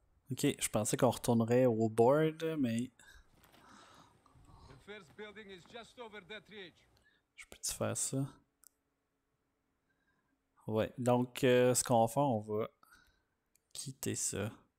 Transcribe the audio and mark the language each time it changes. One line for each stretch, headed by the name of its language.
French: Ok, je pensais qu'on retournerait au board, mais...
English: The first building is just over that ridge.
French: Je peux-tu faire ça? Ouais, donc ce qu'on va faire, on va quitter ça.